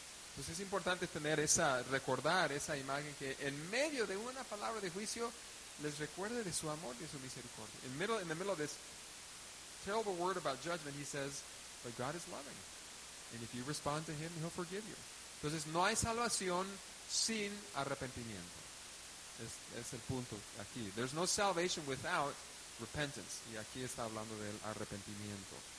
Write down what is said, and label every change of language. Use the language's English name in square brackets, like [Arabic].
[Spanish] Entonces es importante tener esa, recordar esa imagen que en medio de una palabra de juicio les recuerde de su amor y su misericordia. [English] In the middle of this terrible word about judgment, he says, but God is loving. And if you respond to him, he'll forgive you. [Spanish] Entonces no hay salvación sin arrepentimiento. Es el punto aquí. [English] There's no salvation without repentance. [Spanish] Y aquí está hablando del arrepentimiento.